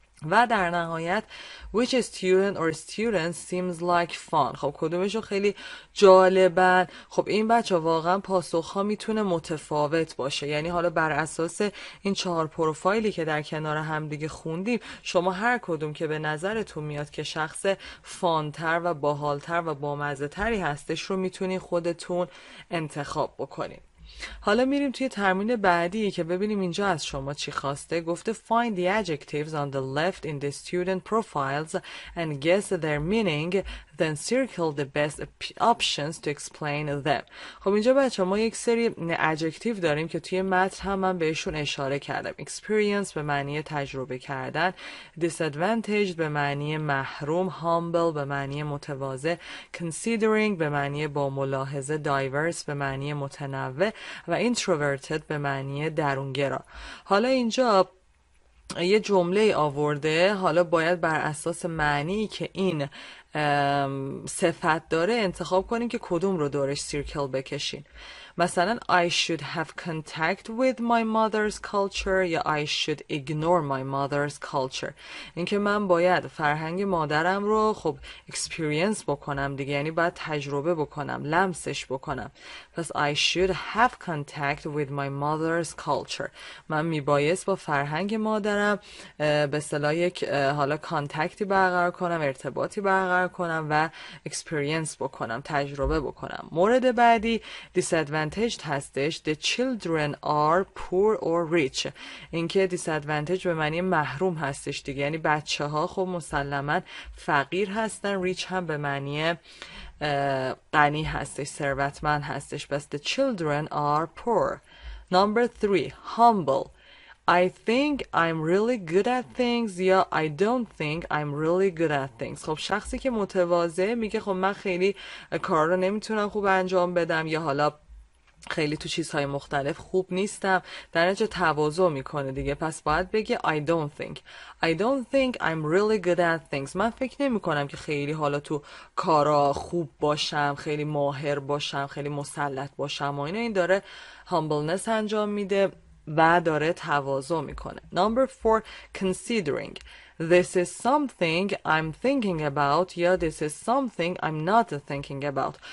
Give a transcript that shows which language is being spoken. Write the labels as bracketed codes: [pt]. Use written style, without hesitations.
[fa] و در نهایت [en] which student or students seems like fun, [fa] خب کدومشون خیلی جالبن؟ خب این بچه واقعا پاسخ ها میتونه متفاوت باشه, یعنی حالا بر اساس این چهار پروفایلی که در کنار هم دیگه خوندیم شما هر کدوم که به نظرتون میاد که شخص فانتر و باحالتر و بامزه تری هستش رو میتونین خودتون انتخاب بکنین. حالا میریم توی ترمین بعدی که ببینیم اینجا از شما چی خواسته. گفته [en] find the adjectives on the left in the student profiles and guess their meaning, then circle the best options to explain them. [fa] خب اینجا بچه ما یک سری adjective داریم که توی متن هم من بهشون اشاره کردم. Experience به معنی تجربه کردن, disadvantaged به معنی محروم, humble به معنی متواضع, considering به معنی با ملاحظه, diverse به معنی متنوع, و introverted به معنی درونگرا. حالا اینجا یه جمله آورده, حالا باید بر اساس معنی که این صفت داره انتخاب کنین که کدوم رو دورش سیرکل بکشین. مثلا [en] I should have contact with my mother's culture [fa] یا [en] I should ignore my mother's culture. [fa] اینکه من باید فرهنگ مادرم رو خب اکسپریانس بکنم دیگه، یعنی باید تجربه بکنم، لمسش بکنم. [en] پس I should have contact with my mother's culture. [fa] من میبایست با فرهنگ مادرم به اصطلاح یک حالا کانتکتی برقرار کنم، ارتباطی برقرار کنم و اکسپریانس بکنم، تجربه بکنم. مورد بعدی [en] disadvantaged [fa] هستش، [en] the children are poor or rich. [fa] اینکه disadvantaged به معنی محروم هستش دیگه، یعنی بچه ها خب مسلمن فقیر هستن، rich هم به معنی غنی هستش، ثروتمند هستش. بس [en] the children are poor. Number three, humble. I think I'm really good at things [fa] یا [en] I don't think I'm really good at things. [fa] خب شخصی که متواضع میگه خب من خیلی کار رو نمیتونم خوب انجام بدم یا حالا خیلی تو چیزهای مختلف خوب نیستم، در نتیجه تواضع میکنه دیگه. پس باید بگه [en] I don't think I'm really good at things. [fa] من فکر نمی کنم که خیلی حالا تو کارا خوب باشم، خیلی ماهر باشم، خیلی مسلط باشم و اینا. این داره humbleness انجام میده و داره تواضع میکنه. [en] Number four, considering. This is something I'm thinking about [fa] یا [en] this is something I'm not thinking about.